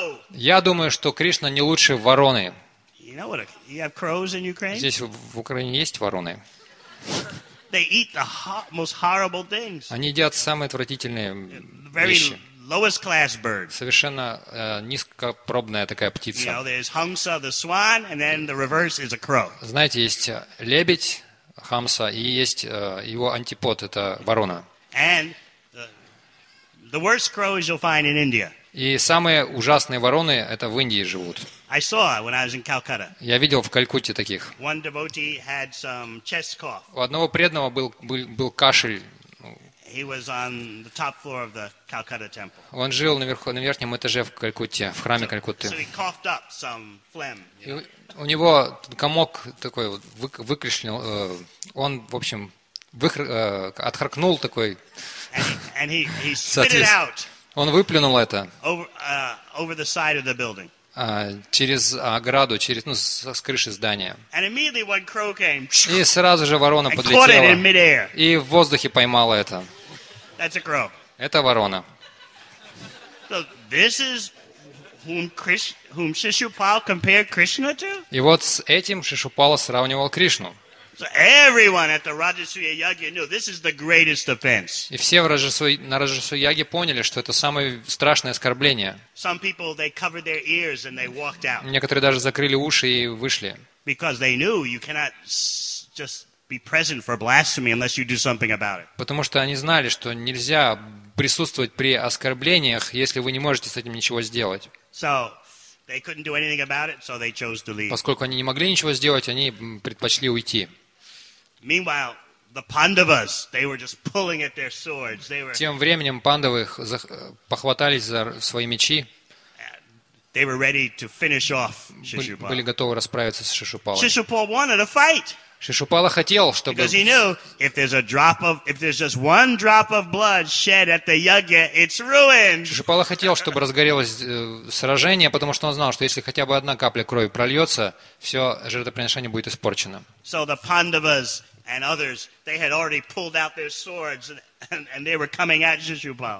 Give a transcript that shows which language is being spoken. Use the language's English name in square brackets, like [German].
[Russian] Я думаю, что Кришна не лучше вороны». Здесь в Украине есть вороны? [English] They eat the most horrible things. [Russian] Они едят самые отвратительные [English] very [Russian] вещи. [English] Lowest class bird. [Russian] Совершенно низкопробная такая птица. [English] You know, there's Hamsa, the swan, and then the reverse is a crow. [Russian] Знаете, есть лебедь Хамса и есть его антипод – это ворона. [English] And the worst crows you'll find in India. [Russian] И самые ужасные вороны – это в Индии живут. [English] I saw when I was in Calcutta. [Russian] Я видел в Калькутте таких. [English] One devotee had some chest cough. [Russian] У одного преданного был кашель. [English] He was on the top floor of the Calcutta temple. [Russian] Он жил на верхнем этаже в Калькутте, в храме Калькутты. [English] So he coughed up some phlegm. [Russian] У него комок такой выкашлял. Он, в общем, отхаркнул такой. [English] And he spit it out. [Russian] Он выплюнул это [English] over the side of the building. [Russian] Через ограду, через, ну, с крыши здания. [English] And immediately one crow came, [Russian] и сразу же ворона подлетела и в воздухе поймала это. [English] That's a crow. [Russian] Это ворона. [English] So this is whom Shishupal compared Krishna to? [Russian] И вот с этим Шишупала сравнивал Кришну. [English] So everyone at the Rajasuya Yagya knew this is the greatest offense. [Russian] И все на Раджасуя Яге поняли, что это самое страшное оскорбление. [English] Some people they covered their ears and they walked out. [Russian] Некоторые даже закрыли уши и вышли. [English] Because they knew you cannot just be present for blasphemy unless you do something about it. [Russian] Потому что они знали, что нельзя присутствовать при оскорблениях, если вы не можете с этим ничего сделать. [English] So they couldn't do anything about it, so they chose to leave. [Russian] Поскольку они не могли ничего сделать, они предпочли уйти. [English] Meanwhile, the Pandavas, they were just pulling at their swords. They were. [Russian] Тем временем пандавы похватались за свои мечи. [English] They were ready to finish off Шишупала. [Russian] Были готовы расправиться с Шишупалой. [English] Шишупала wanted a fight. [Russian] Шишупала хотел, чтобы. [English] Because he knew if there's just one drop of blood shed at the yagya, it's ruined. [Russian] Шишупала хотел, чтобы разгорелось сражение, потому что он знал, что если хотя бы одна капля крови прольется, все жертвоприношение будет испорчено. [English] So the Pandavas and others, they had already pulled out their swords and they were coming at Шишупала.